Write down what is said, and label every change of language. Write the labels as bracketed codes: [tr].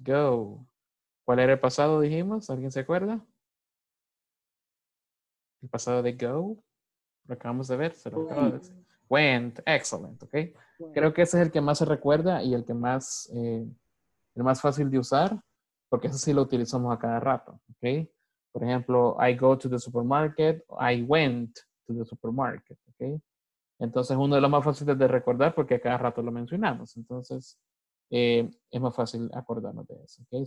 [es] Go. ¿Cuál era el pasado, dijimos? ¿Alguien se acuerda? El pasado de go. Lo acabamos de ver, se lo acabo de decir. [en] Went, excellent, ok. [es] Creo que ese es el que más se recuerda y el que más, el más fácil de usar, porque ese sí lo utilizamos a cada rato, ok. Por ejemplo, [en] I go to the supermarket, I went to the supermarket, ok. [es] Entonces, uno de los más fáciles de recordar porque a cada rato lo mencionamos. Entonces, es más fácil acordarnos de eso, ok.